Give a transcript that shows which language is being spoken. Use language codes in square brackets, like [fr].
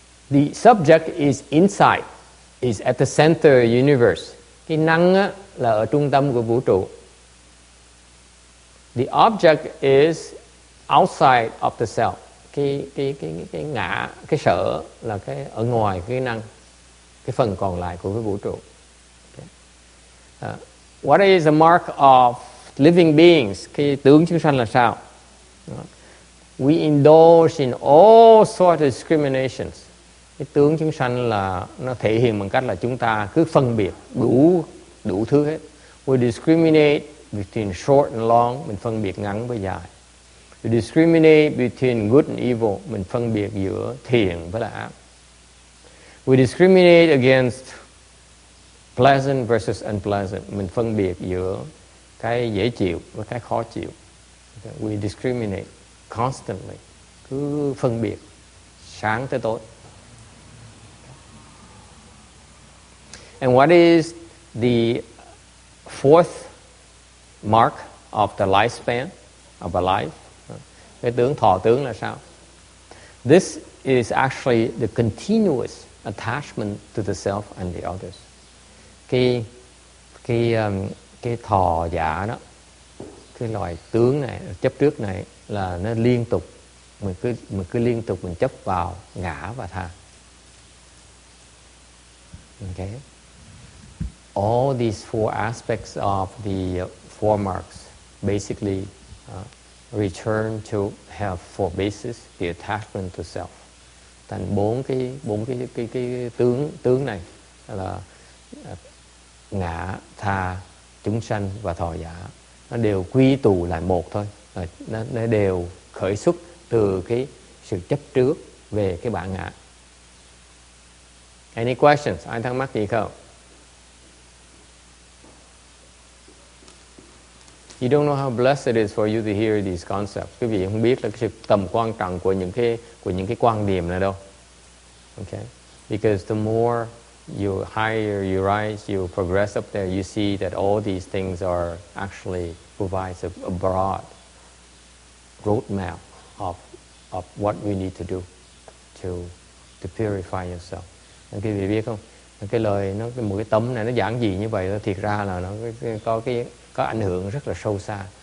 [en] The subject is inside, is at the center of the universe. [vi] Cái năng á, là ở trung tâm của vũ trụ. [en] The object is outside of the self. [vi] Cái ngã, cái sở là cái ở ngoài cái năng, cái phần còn lại của cái vũ trụ. [en] Okay. What is the mark of living beings? [vi] Cái tướng chúng sanh là sao? [en] We indulge in all sorts of discriminations. [vi] Cái tướng chúng sanh là nó thể hiện bằng cách là chúng ta cứ phân biệt đủ thứ hết. [en] We discriminate between short and long, [vi] mình phân biệt ngắn với dài. [en] We discriminate between good and evil, [vi] mình phân biệt giữa thiện với là ác. [en] We discriminate against pleasant versus unpleasant, [vi] mình phân biệt giữa cái dễ chịu với cái khó chịu. [en] We discriminate constantly, [vi] cứ phân biệt sáng tới tối. [en] And what is the fourth mark of the lifespan of a life? [vi] Cái tướng thọ tướng là sao? [en] This is actually the continuous attachment to the self and the others. [vi] Cái thọ giả đó, cái loại tướng này, chấp trước này là nó liên tục, mình cứ liên tục mình chấp vào ngã và tha. [en] Okay. All these four aspects of the four marks basically return to have four bases, the attachment to self. [vi] Thành bốn cái tướng này là ngã, tha, chúng sanh và thọ giả. nó đều quy tụ lại một thôi, nó đều khởi xuất từ cái sự chấp trước về cái bản ngã. [en] Any questions? [vi] Ai thắc mắc gì không? [en] You don't know how blessed it is for you to hear these concepts. [vi] Quý vị không biết là cái sự tầm quan trọng của những cái quan điểm này đâu. [en] Okay? Because the more you higher you rise, you progress up there, you see that all these things are actually provides a broad roadmap of what we need to do to purify yourself. [vi] Quý vị biết không? Cái lời nó một cái tấm này nó giảng gì như vậy, thiệt ra là nó có cái có ảnh hưởng rất là sâu xa.